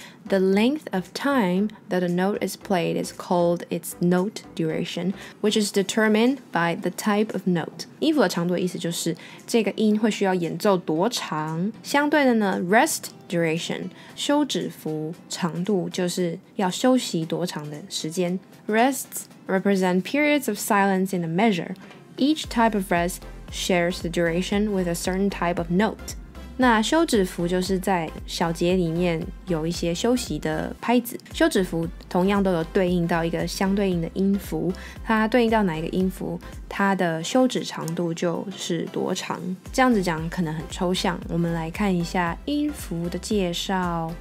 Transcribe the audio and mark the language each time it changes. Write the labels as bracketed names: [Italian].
[English] The length of time that a note is played is called its note duration， which is determined by the type of note。 [Chinese] 音符的长度的意思就是这个音会需要演奏多长。相对的呢， rest duration， 休止符长度就是要休息多长的时间。 [English] Rests represent periods of silence in a measure. Each type of rest shares the duration with a certain type of note. [Chinese] 那休止符就是在小节里面有一些休息的拍子，休止符同样都有对应到一个相对应的音符，它对应到哪一个音符，它的休止长度就是多长。这样子讲可能很抽象，我们来看一下音符的介绍。